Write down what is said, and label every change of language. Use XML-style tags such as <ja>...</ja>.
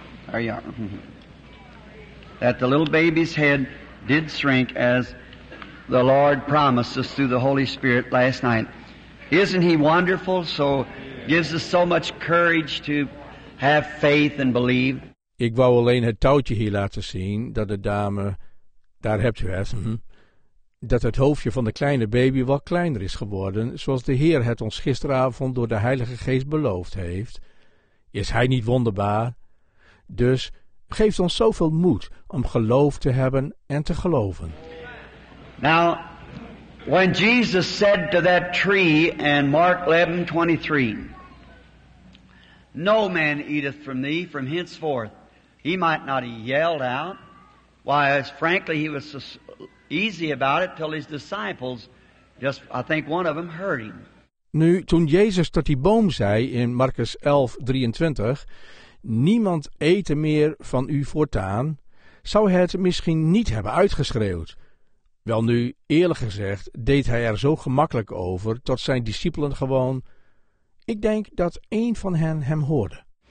<en>There you are. That the little baby's head did shrink as the Lord promised us through the Holy Spirit last night. Isn't he wonderful? So gives us so much courage to have faith and believe.</en> <nl>Ik wou alleen het touwtje hier laten zien, dat de dame, daar hebt u het, dat het hoofdje van de kleine baby wel kleiner is geworden, zoals de Heer het ons gisteravond door de Heilige Geest beloofd heeft. Is hij niet wonderbaar? Dus geeft ons zoveel moed om geloof te hebben en te geloven.</nl> <en>Now, when Jesus said to that tree in Mark 11:23, no man eateth from thee from henceforth. He might not have yelled out, Why, frankly, he was so easy about it till his disciples, just I think one of them heard him.</en> <nl>Nu, toen Jezus tot die boom zei in Marcus 11, 23, niemand eet meer van u voortaan, zou hij het misschien niet hebben uitgeschreeuwd. Wel nu, eerlijk gezegd, deed hij er zo gemakkelijk over dat zijn discipelen gewoon, ik denk dat één van hen hem hoorde.</nl>